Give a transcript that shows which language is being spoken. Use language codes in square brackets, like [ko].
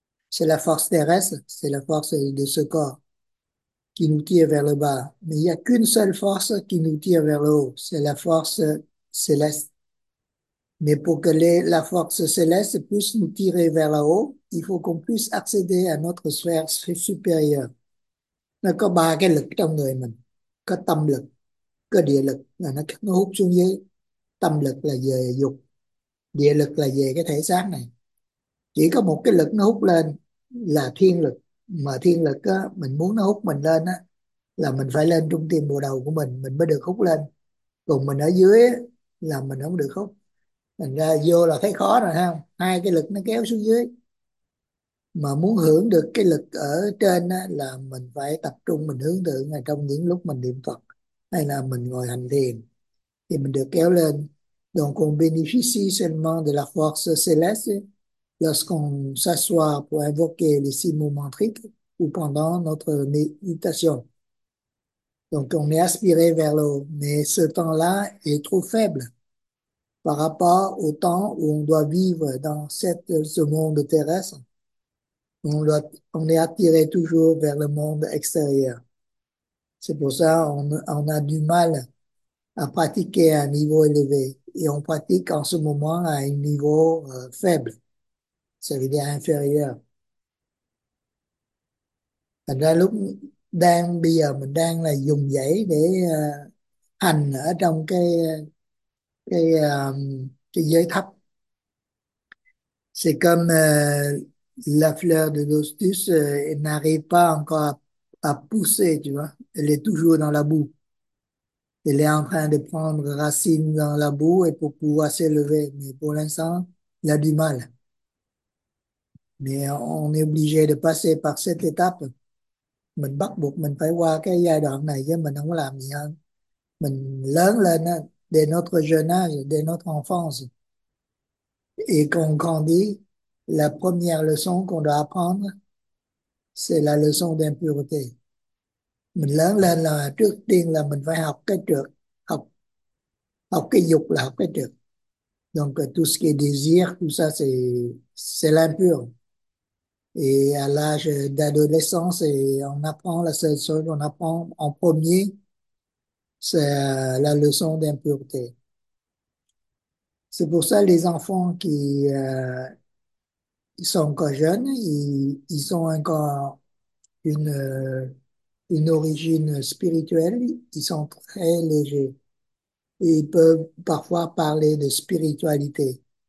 [fr] C'est la force terrestre, c'est la force de ce corps qui nous tire vers le bas. Mais il n'y a qu'une seule force qui nous tire vers le haut, c'est la force céleste. Mais pour que la force céleste puisse nous tirer vers le haut, il faut qu'on puisse accéder à notre sphère supérieure. [vi] Nó có ba cái lực trong người mình. Có tâm lực, có địa lực, là nó hút xuống dưới. Tâm lực là về dục, địa lực là về cái thể xác này. Chỉ có một cái lực nó hút lên là thiên lực. Mà thiên lực á, mình muốn nó hút mình lên á, là mình phải lên trung tâm bộ đầu của mình mới được hút lên. Còn mình ở dưới á, là mình không được hút. Thành ra vô là thấy khó rồi ha, hai cái lực nó kéo xuống dưới. Mà muốn hưởng được cái lực ở trên á, là mình phải tập trung, mình hướng tượng là trong những lúc mình niệm Phật hay là mình ngồi hành thiền thì mình được kéo lên. [fr] Donc on bénéficie seulement de la force céleste lorsqu'on s'assoit pour invoquer les six mouvements triples ou pendant notre méditation. Donc on est aspiré vers le haut, mais ce temps-là est trop faible par rapport au temps où on doit vivre dans ce monde terrestre. On est attiré toujours vers le monde extérieur. C'est pour ça on a du mal à pratiquer à un niveau élevé et on pratique en ce moment à un niveau faible, c'est-à-dire inférieur. [vi] Thành ra bây giờ mình đang là dùng dãy để hành ở trong cái giới thấp. [fr] C'est comme la fleur de lotus n'arrive pas encore à pousser, tu vois. Elle est toujours dans la boue. Elle est en train de prendre racine dans la boue et pour pouvoir s'élever. Mais pour l'instant, elle a du mal. Mais on est obligé de passer par cette étape. [vi] Mình bắt buộc mình phải qua cái giai đoạn này chứ mình không làm gì hơn. Mình lớn lên á, [fr] dès notre jeune âge, dès notre enfance. Et qu'on grandit, la première leçon qu'on doit apprendre, c'est la leçon d'impureté. [vi] Mình lớn lên là trước tiên là mình phải học cái trược, học học cái dục là học cái trược. [fr] Donc tout ce qui est désir, tout ça c'est l'impur. Et à l'âge d'adolescence, on apprend la seule chose qu'on apprend en premier, c'est la leçon d'impureté. C'est pour ça les enfants qui ils sont encore jeunes, ils ont encore une origine spirituelle, ils sont très légers et ils peuvent parfois parler de spiritualité.